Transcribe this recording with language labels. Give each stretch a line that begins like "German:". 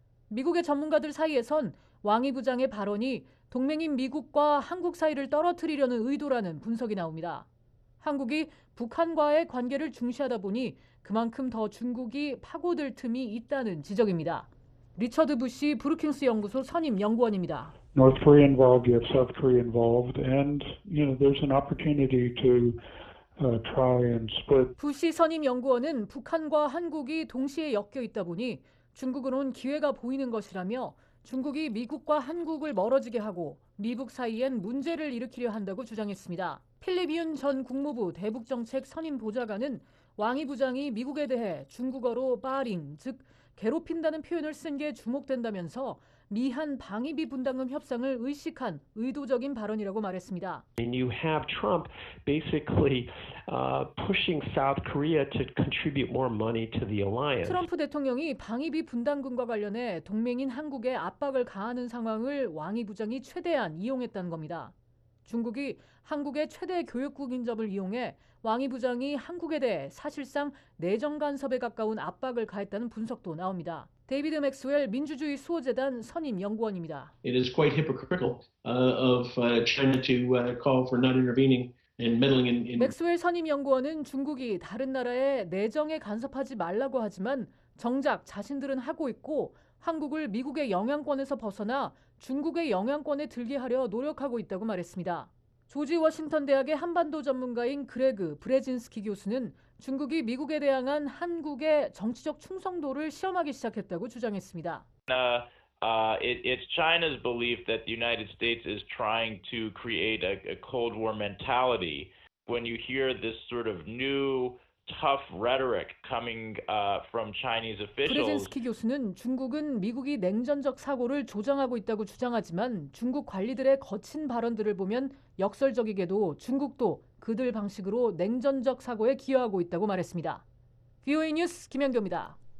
Korean: 미국의 전문가들 사이에선 왕이 부장의 발언이 동맹인 미국과 한국 사이를 떨어뜨리려는 의도라는 분석이 나옵니다. 한국이 북한과의 관계를 중시하다 보니 그만큼 더 중국이 파고들 틈이 있다는 지적입니다. 리처드 부시 브루킹스 연구소 선임 연구원입니다.
English: North Korea involved, you have South Korea involved, and you know there's an opportunity to try and split.
Korean: 부시 선임 연구원은 북한과 한국이 동시에 엮여 있다 보니 중국으론 기회가 보이는 것이라며 중국이 미국과 한국을 멀어지게 하고 미북 사이엔 문제를 일으키려 한다고 주장했습니다. 필립 윤 전 국무부 대북정책 선임 보좌관은 왕이 부장이 미국에 대해 중국어로 바링, 즉 괴롭힌다는 표현을 쓴 게 주목된다면서 미한 방위비 분담금 협상을 의식한 의도적인 발언이라고 말했습니다.
English: And you have Trump basically pushing South Korea to contribute more money to the alliance.
Korean: 트럼프 대통령이 방위비 분담금과 관련해 동맹인 한국에 압박을 가하는 상황을 왕이 부장이 최대한 이용했다는 겁니다. 중국이 한국의 최대 교역국인 점을 이용해 왕이 부장이 한국에 대해 사실상 내정 간섭에 가까운 압박을 가했다는 분석도 나옵니다. 데이비드 맥스웰 민주주의 수호재단 선임 연구원입니다.
English: It is quite hypocritical of China to call for not intervening and meddling in.
Korean: 맥스웰 선임 연구원은 중국이 다른 나라의 내정에 간섭하지 말라고 하지만 정작 자신들은 하고 있고 한국을 미국의 영향권에서 벗어나 중국의 영향권에 들게 하려 노력하고 있다고 말했습니다. 조지 워싱턴 대학의 한반도 전문가인 그레그 브레진스키 교수는 중국이 미국에 대항한 한국의 정치적 충성도를 시험하기 시작했다고 주장했습니다.
English: It's China's belief that the United States is trying to create a Cold War mentality. When you hear this sort of new tough rhetoric coming from Chinese officials.
Korean: 브레진스키 교수는 중국은 미국이 냉전적 사고를 조장하고 있다고 주장하지만 중국 관리들의 거친 발언들을 보면 역설적이게도 중국도 그들 방식으로 냉전적 사고에 기여하고 있다고 말했습니다. VOA 뉴스 김영교입니다.